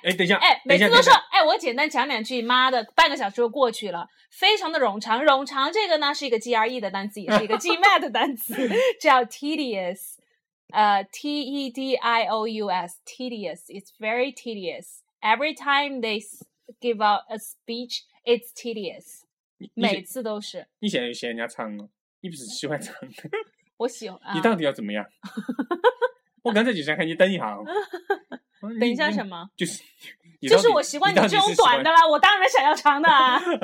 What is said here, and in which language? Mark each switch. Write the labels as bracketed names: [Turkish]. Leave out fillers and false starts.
[Chinese] 哎，等一下，哎，每次都说，哎，我简单讲两句，妈的，半个小时就过去了，非常的冗长。冗长这个呢是一个 GRE 的单词，也是一个 GMAT 的单词，叫 tedious， T-E-D-I-O-U-S， tedious， [English] it's very tedious. Every time they give out a speech, it's tedious. [Chinese] 每次都是。你现在又嫌人家长了，你不是喜欢长的？我喜欢。你到底要怎么样？我刚才就想看你等一下、哦、等一下什么？就是我习惯你这种短的啦，我当然想要长的啊。